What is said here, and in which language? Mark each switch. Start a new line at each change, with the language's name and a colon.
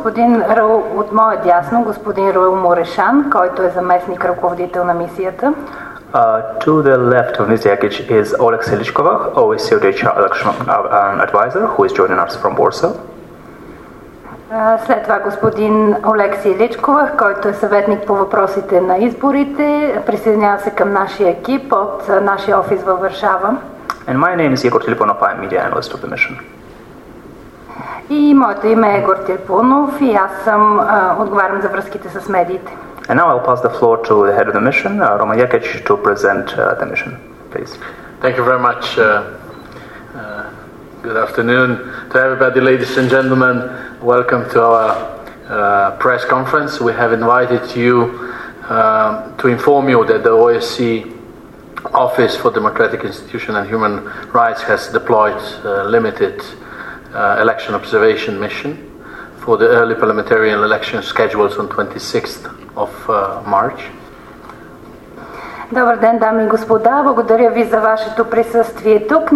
Bulgarian: От моя дясно, господин Раул Мурешан, който е заместник ръководител на мисията.
English: To the left of Ms. Jakic is Oleg Selichkova, OSCE/ODIHR election advisor, who is joining us from Warsaw.
Bulgarian: След това господин Олексий Личкова, който е съветник по въпросите на изборите, присъединява се към нашия екип от нашия офис във Варшава.
English: And my name is Igor Tilipunov, I'm media analyst of the mission.
Bulgarian: И моето име е Игор Тилипунов и аз съм отговарям за връзките с медиите.
English: And now I'll pass the floor to the head of the mission, Roman Jakic, to present the mission, please. Thank you very much. Good afternoon to everybody, ladies and gentlemen. Welcome to our press conference. We have invited you to inform you that the OSCE Office for Democratic Institution and Human Rights has deployed a limited election observation mission for the early parliamentary election scheduled on 26th of March.
Bulgarian: Добър ден, дами и господа. Благодаря ви за вашето присъствие тук.